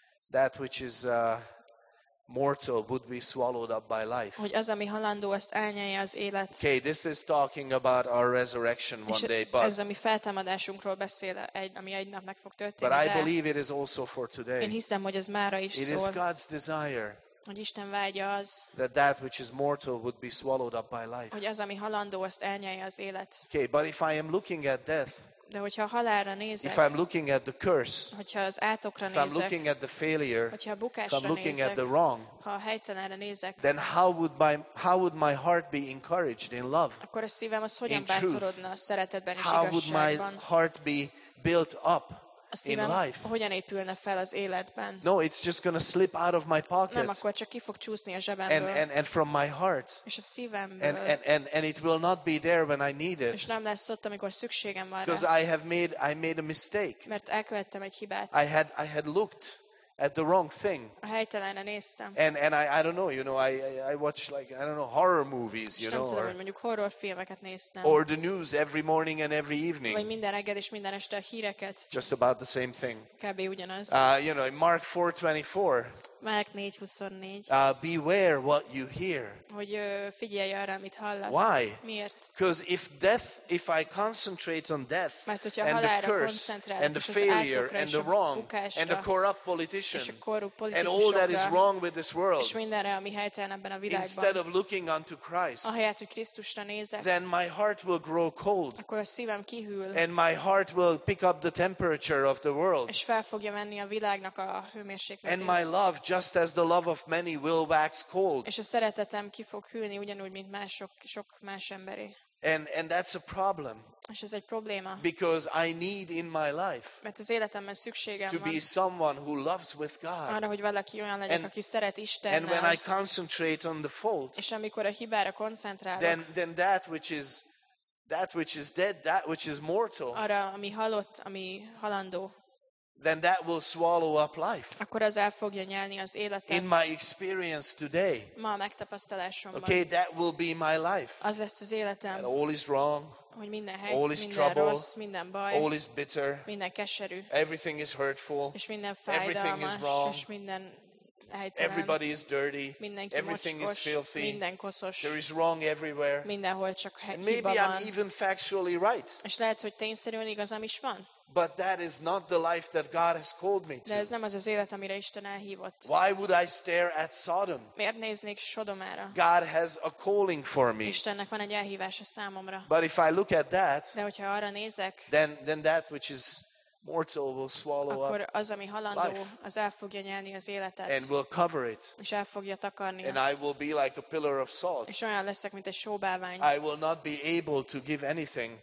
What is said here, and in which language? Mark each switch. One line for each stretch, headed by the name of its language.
English: That which is mortal would be swallowed up by life.
Hungarian: Hogy az, ami halandó, azt elnyelje az élet.
English: Okay, this is talking about our resurrection one day, but
Hungarian: ez, ami feltámadásunkról beszél, ami egy nap meg fog történni.
English: But I believe it is also for today.
Hungarian: Én hiszem, hogy ez mára is szól.
English: It is God's desire.
Hungarian: Hogy Isten vágya az.
English: That which is mortal would be swallowed up by life.
Hungarian: Hogy az, ami halandó, azt elnyelje az élet.
English: Okay, but if I am looking at death.
Hungarian: De hogyha a halálra nézek,
English: if I'm looking at the curse,
Hungarian: hogyha az átokra nézek,
English: if I'm looking at the failure,
Hungarian: hogyha a bukásra
English: if I'm looking
Hungarian: nézek,
English: at the wrong,
Hungarian: ha a helytelenre nézek,
English: then how would my heart be encouraged in love?
Hungarian: Akkor a szívem az hogyan bátorodna a szeretetben és igazságban?
English: How would my heart be built up in life?
Hungarian: Hogyan épülne fel az életben?
English: No, it's just gonna slip out of my pocket.
Hungarian: Nem, akkor csak ki fog csúszni a zsebemből.
English: And from my heart.
Hungarian: És a szívemből.
English: And it will not be there when I need it.
Hungarian: És nem lesz ott, amikor szükségem van rá.
English: Because I made a mistake.
Hungarian: Mert elkövettem egy hibát.
English: I had looked at the wrong thing.
Hungarian: A helytelenre néztem.
English: And I don't know, you know, I watch like I don't know horror movies, you know.
Hungarian: Nem tudom, mondjuk horror filmeket néztem.
English: Or the news every morning and every evening.
Hungarian: Vagy minden reggel és minden este a híreket.
English: Just about the same thing.
Hungarian: Kb. Ugyanaz.
English: You know, Mark 4:24.
Hungarian: Mark 4:24.
English: Beware what you hear.
Hungarian: Hogy figyelj arra, amit hallasz.
English: Why?
Hungarian: Miért?
English: Because if I concentrate on death,
Hungarian: mert hogyha a halálra koncentrálok,
English: and the failure, and the wrong, and the corrupt politician, and all that is wrong with this world,
Hungarian: és mindenre, ami helytelen ebben a világban,
English: instead of looking unto Christ,
Hungarian: ahelyett, hogy Krisztusra nézek,
English: then my heart will grow cold,
Hungarian: akkor a szívem kihűl,
English: and my heart will pick up the temperature of the world,
Hungarian: és fel fogja venni a világnak a hőmérsékletét,
English: and my love just as the love of many will wax cold.
Hungarian: És a szeretetem ki fog hűlni ugyanúgy, mint sok más emberi.
English: And that's a problem.
Hungarian: És ez egy probléma.
English: Because I need in my life.
Hungarian: Mert az életemben szükségem van.
English: To be someone who loves with God.
Hungarian: Arra, hogy valaki olyan legyek, aki szeret Istennel.
English: And when I concentrate on the fault.
Hungarian: És amikor a hibára koncentrálok.
English: Then that which is dead, that which is mortal.
Hungarian: Arra, ami halott, ami halandó.
English: Then that will swallow up life.
Hungarian: Akkor az el fogja nyelni az életet.
English: In my experience today.
Hungarian: Ma a megtapasztalásomban.
English: Okay, that will be my life.
Hungarian: Az lesz az életem.
English: And all is wrong.
Hungarian: Hogy minden hely,
English: all is
Hungarian: minden trouble, rossz, minden baj.
English: All is bitter.
Hungarian: Minden keserű.
English: Everything is hurtful.
Hungarian: És minden fájdalmas.
English: Everything is wrong.
Hungarian: És minden helytelen.
English: Everybody is dirty.
Hungarian: Mindenki
English: everything
Hungarian: mocskos,
English: is filthy.
Hungarian: Minden koszos.
English: There is wrong everywhere.
Hungarian: Mindenhol csak hiba
English: maybe
Hungarian: van.
English: I'm even factually right.
Hungarian: És lehet, hogy tényszerűen igazam is van.
English: But that is not the life that God has called me to.
Hungarian: De ez nem az az élet, amire Isten elhívott.
English: Why would I stare at Sodom?
Hungarian: Miért néznék Sodomára?
English: God has a calling for me.
Hungarian: Istennek van egy elhívása számomra.
English: But if I look at that,
Hungarian: de hogyha arra nézek,
English: then that which is mortal will swallow
Hungarian: akkor
English: up
Hungarian: az, ami halandó,
English: life,
Hungarian: az el fogja nyelni az életet,
English: and will cover it.
Hungarian: És el fogja takarni
English: and
Hungarian: azt.
English: I will be like a pillar of salt.
Hungarian: És olyan leszek, mint egy sóbálvány.
English: I will not be able to give anything,